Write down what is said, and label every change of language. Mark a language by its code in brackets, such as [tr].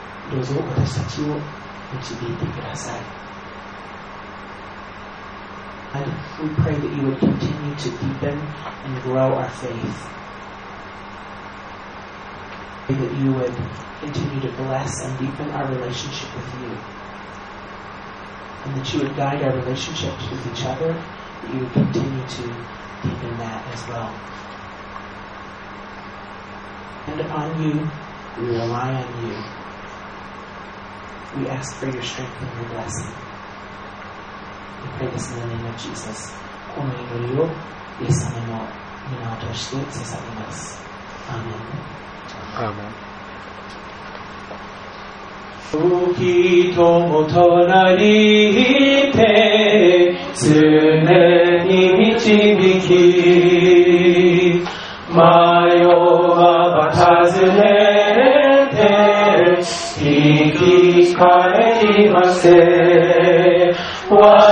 [ja] どうぞ私たちを導いてください。 [en] And we pray that you would continue to deepen and grow our faithThat you would continue to bless and deepen our relationship with you, and that you would guide our relationships with each other, that you would continue to deepen that as well. And upon you, we rely on you. We ask for your strength and your blessing. We pray this in the name of Jesus. [ja] この祈りをイエス様の御名を通して捧げます。アーメン。お人も隣にいて常に導き、迷わば尋ねて引き返しまして、我